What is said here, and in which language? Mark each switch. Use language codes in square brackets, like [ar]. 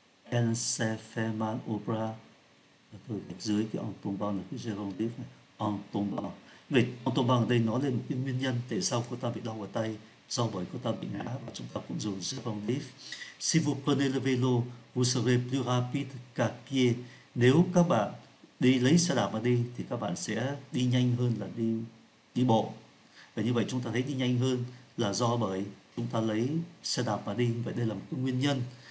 [fr] Elle s'est fait mal au bras. [vi] Tôi gạch dưới cái en tombant là cái gerondif này, en tombant. Vậy en tombant ở đây nói lên một cái nguyên nhân tại sao cô ta bị đau ở tay, do bởi cô ta bị ngã, và chúng ta cũng dùng gerondif. [fr] Si vous prenez le vélo, vous serez plus rapide qu'à pied. [vi] Nếu các bạn đi lấy xe đạp mà đi thì các bạn sẽ đi nhanh hơn là đi đi bộ. Và như vậy chúng ta thấy đi nhanh hơn là do bởi chúng ta lấy xe đạp mà đi. Vậy đây là một cái nguyên nhân.